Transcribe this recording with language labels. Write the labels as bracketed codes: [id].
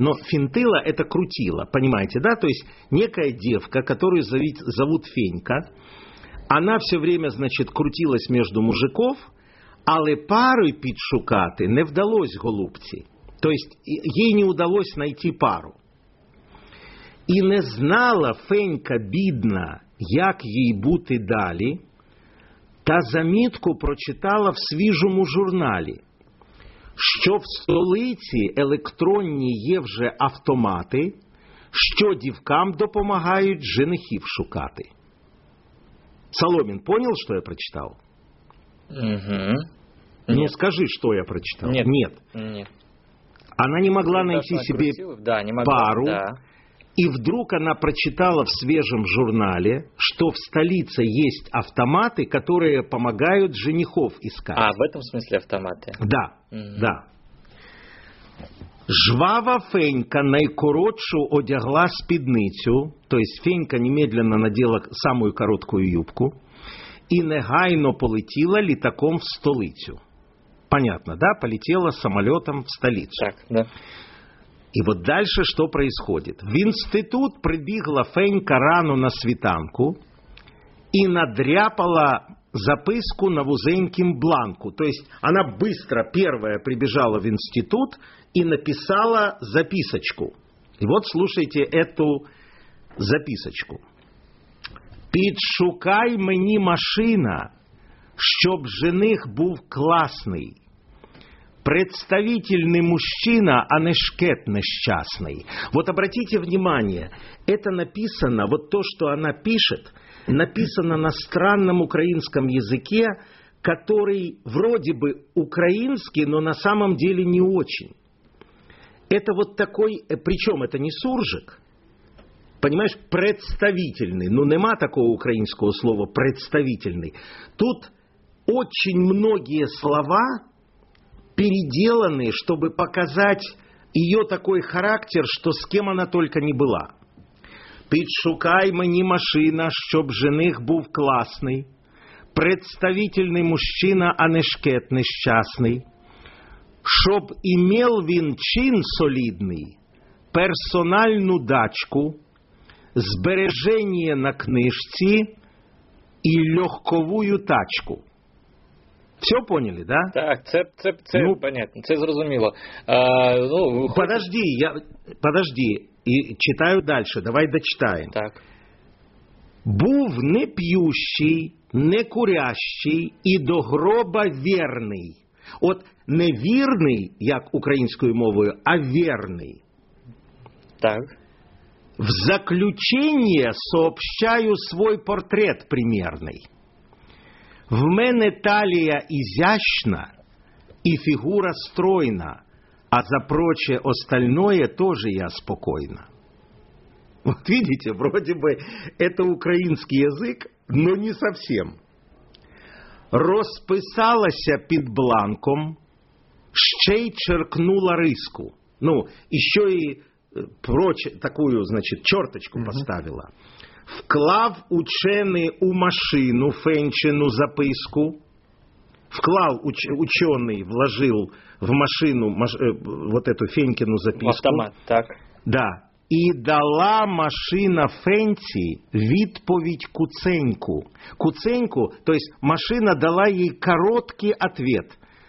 [ru] Но финтила – это крутила, понимаете, да? То есть некая девка, которую зовут Фенька, она все время, значит, крутилась между мужиков, [uk] але пару підшукати не вдалось голубці. [ru] То есть ей не удалось найти пару. [uk] И не знала Фенька бідна, як їй бути далі, та замітку прочитала в свіжому журналі, що в столиці електронні є вже автомати, що дівкам допомагають женихів шукати. Соломін, [ru] понял, [uk] що я прочитав? Угу. [ru] Ну, нет. Скажи, [uk] що я прочитав. [ru] Нет. Нет. Она не могла найти себе пару. Да. И вдруг она прочитала в свежем журнале, что в столице есть автоматы, которые помогают женихов искать. А, в этом смысле автоматы? Да, да. [uk] Жвава Фенька найкоротшу одягла спідницю, [ru] то есть Фенька немедленно надела самую короткую юбку, [uk] и негайно полетела літаком в столицю. [ru] Понятно, да? Полетела самолетом в столицу. Так, да. И вот дальше что происходит? [uk] В институт прибігла Фенька рано на світанку и надряпала записку на вузеньким бланку. [ru] То есть она быстро первая прибежала в институт и написала записочку. И вот слушайте эту записочку. [uk] «Підшукай мені машина, щоб жених був класний». [ru] Представительный мужчина, а не шкет несчастный. Вот обратите внимание, это написано, вот то, что она пишет, написано на странном украинском языке, который вроде бы украинский, но на самом деле не очень. Это вот такой, причем это не суржик, понимаешь, представительный. Ну, нема такого украинского слова «представительный». Тут очень многие слова переделаны, чтобы показать ее такой характер, что с кем она только не была. [uk] «Підшукай мені машина, щоб жених був класний, представительный мужчина, а не шкет несчастный, щоб имел він чин солидный, персональну дачку, збереження на книжці і легковую тачку». [ru] Все поняли, да? [uk] Так, це ну, понятно, це зрозуміло. Ну, [ru] подожди, подожди, [uk] і читаю далі, давай дочитаємо. Так. «Був не п'ющий, не курящий і до гроба вірний». От не вірний, як українською мовою, а вірний. Так. «В заключення сообщаю свій портрет примірний». В мене талія ізящна і фігура стройна, а за проче остальное тоже я спокойна. [ru] Вот видите, вроде бы это украинский язык, но не совсем. [uk] Розписалася під бланком, ще й черкнула риску. [ru] Ну, еще и прочь, такую, значит, черточку поставила. [uk] Вклав учений у машину Фенчину записку. Вклав учений, [ru] вложив в машину вот эту Фенькину записку. Автомат, так. Да. [uk] І дала машина Фенці відповідь куценьку. [ru] Куценьку, то есть машина дала їй короткий ответ.